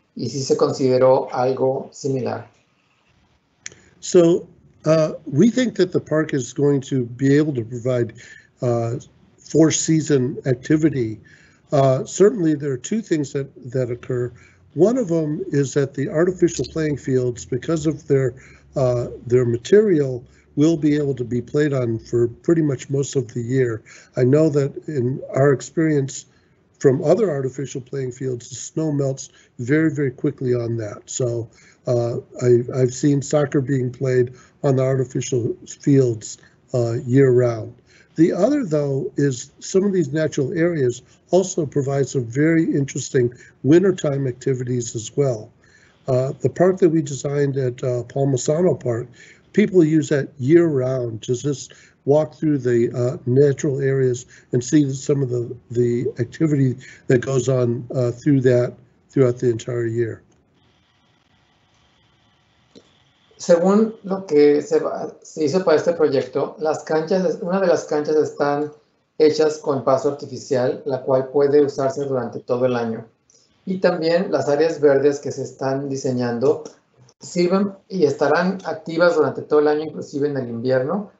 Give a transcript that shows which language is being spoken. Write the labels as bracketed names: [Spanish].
[Spanish] Y si se consideró algo similar. [English] So we think that the park is going to be able to provide four season activity. Certainly there are two things that occur. One of them is that the artificial playing fields, because of their material, will be able to be played on for pretty much most of the year. I know that in our experience from other artificial playing fields, the snow melts very, very quickly on that. So I've seen soccer being played on the artificial fields year round. The other, though, is some of these natural areas also provide some very interesting wintertime activities as well. The park that we designed at Palmisano Park, people use that year round to just walk through the natural areas and see some of the activity that goes on through that throughout the entire year. [Spanish] Según lo que se hizo para este proyecto, una de las canchas están hechas con pasto artificial, la cual puede usarse durante todo el año. Y también las áreas verdes que se están diseñando sirven y estarán activas durante todo el año, inclusive en el invierno.